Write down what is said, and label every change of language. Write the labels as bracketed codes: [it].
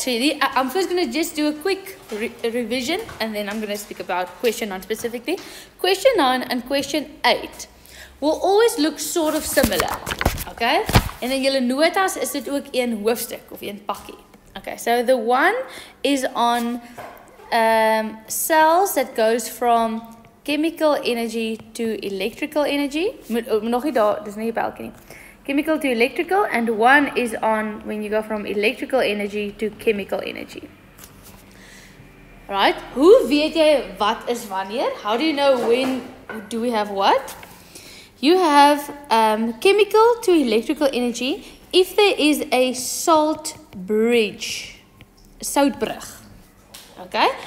[en] So I'm first going to just do a quick revision and then I'm going to speak about question 9 specifically. Question 9 and question 8 will always look sort of similar. Okay? And then [af] julle notas is dit ook een hoofstuk of een pakkie. [en] Okay, so the one is on cells that goes from chemical energy to electrical energy. [af] Nog nie daar, dis nie die balkie nie. [en] Chemical to electrical, and one is on when you go from electrical energy to chemical energy. Right? [af] Hoe weet jy wat is wanneer? [en] How do you know when do we have what? You have chemical to electrical energy if there is a salt bridge. Soutbrug. Okay?